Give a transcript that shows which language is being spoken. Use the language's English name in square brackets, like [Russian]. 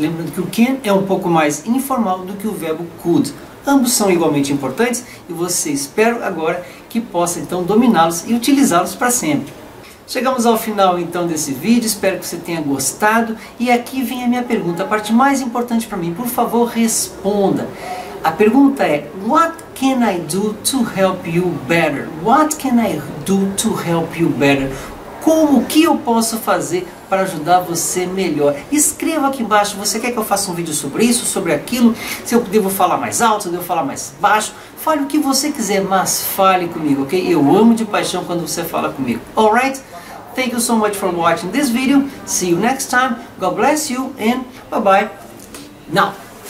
[Portuguese] Lembrando que o can é um pouco mais informal do que o verbo could. Ambos são igualmente importantes e você espera agora que possa então dominá-los e utilizá-los para sempre. Chegamos ao final então desse vídeo, espero que você tenha gostado. E aqui vem a minha pergunta, a parte mais importante para mim. Por favor, responda. A pergunta é, [English] what can I do to help you better? What can I do to help you better? [Portuguese] Como que eu posso fazer para ajudar você melhor? Escreva aqui embaixo, você quer que eu faça um vídeo sobre isso, sobre aquilo? Se eu devo falar mais alto, se eu devo falar mais baixo? Fale o que você quiser, mas fale comigo, ok? Eu amo de paixão quando você fala comigo. [English] Alright? Thank you so much for watching this video. See you next time. God bless you and bye-bye. Now!